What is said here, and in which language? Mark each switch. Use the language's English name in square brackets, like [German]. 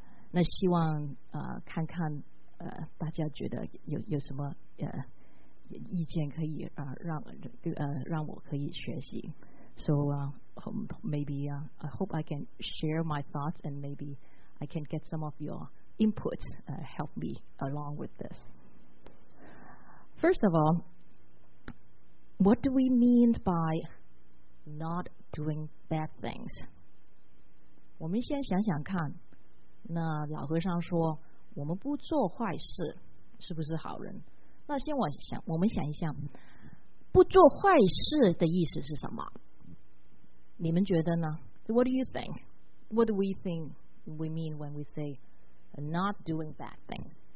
[Chinese] 那希望看看大家觉得有什么意见可以让我可以学习。 [English] So maybe I hope I can share my thoughts and maybe I can get some of your input help me along with this. First of all, what do we mean by not doing bad things? [Chinese] 我们先想想看。那老和尚说我们不做坏事是不是好人，那先我们想一想，不做坏事的意思是什么，你们觉得呢？ [English] What do you think? What do we think we mean when we say not doing bad things?